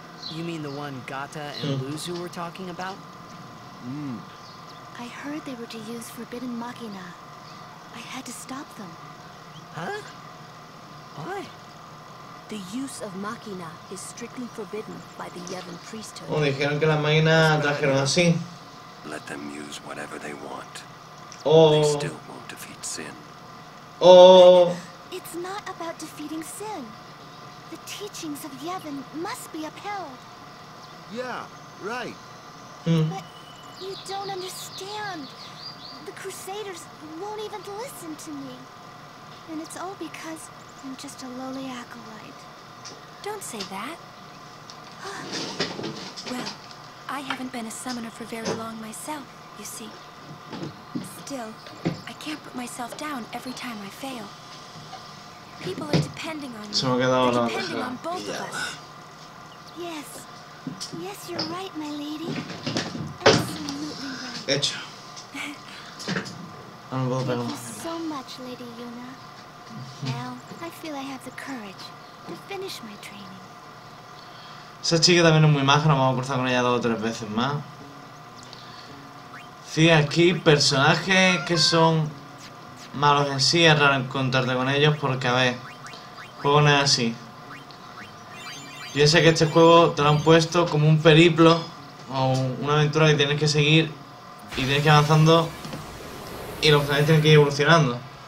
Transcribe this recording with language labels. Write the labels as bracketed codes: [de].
[en] You mean the one Gata and Luzu were talking about? I heard they were to use forbidden machina. I had to stop them. Huh? Why? The use of machina is strictly forbidden by the Yevon priesthood. [es] Oh, dijeron que las máquinas trajeron así. [en] Let them use whatever they want. Oh. They still won't defeat sin. Oh. It's not about defeating sin. The teachings of Yevon must be upheld. Yeah, right. But you don't understand. The Crusaders won't even listen to me. And it's all because I'm just a lowly acolyte. Don't say that. Well, I haven't been a summoner for very long myself, you see. Still, I can't put myself down every time I fail. People are depending on you. They're depending on both of us. Yes. Yes, you're right, my lady. Absolutely right. Thank you so much, Lady Yuna. Now, I feel I have the courage to finish my training. [es] Esa chica también es muy maja, nos vamos a cruzar con ella dos o tres veces más. Sí, aquí personajes que son malos en sí, es raro encontrarte con ellos porque, a ver, el juego no es así. Yo sé que este juego te lo han puesto como un periplo o una aventura que tienes que seguir y tienes que ir avanzando y los personajes tienen que ir evolucionando.